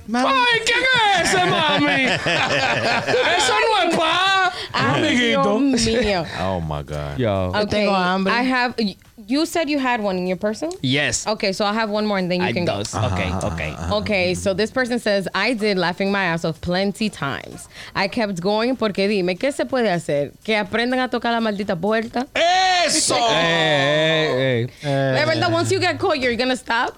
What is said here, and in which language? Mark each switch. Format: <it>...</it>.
<es>¡Ay, qué es ese, mami! ¡Eso no es pa! Dios mío.</es> <en>Oh, my God. Yo.</en> <es>Okay, tengo hambre.</es> <en>I have... You said you had one in your person? Yes. Okay, so I'll have one more and then you can go. Uh-huh. Okay. Okay, so this person says, I did laughing my ass off plenty times. I kept going</en> <es>porque dime, ¿qué se puede hacer? ¿Que aprendan a tocar la maldita puerta? ¡Eso!</es> <en>Hey.</en> <es>La verdad,</es> <en>once you get caught, you're going to stop?</en>